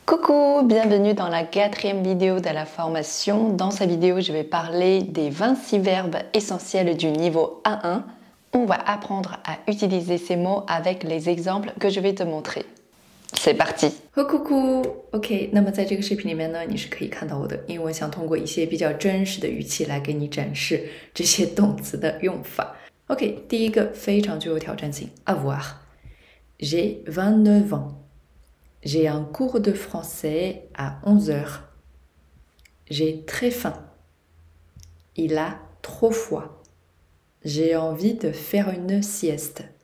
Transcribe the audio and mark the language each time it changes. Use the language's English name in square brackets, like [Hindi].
[French] Coucou, bienvenue dans la quatrième vidéo de la formation. Dans cette vidéo, je vais parler des 26 verbes essentiels du niveau A1. On va apprendre à utiliser ces mots avec les exemples que je vais te montrer. C'est parti! Oh, coucou! [Chinese] Ok, 那么在这个视频里面呢, 你是可以看到我的英文，想通过一些比较真实的语气来给你展示这些动词的用法。 Ok, 第一个非常具有挑战性, avoir. [French] J'ai 29 ans. J'ai un cours de français à 11h. J'ai très faim. Il a trop froid. J'ai envie de faire une sieste.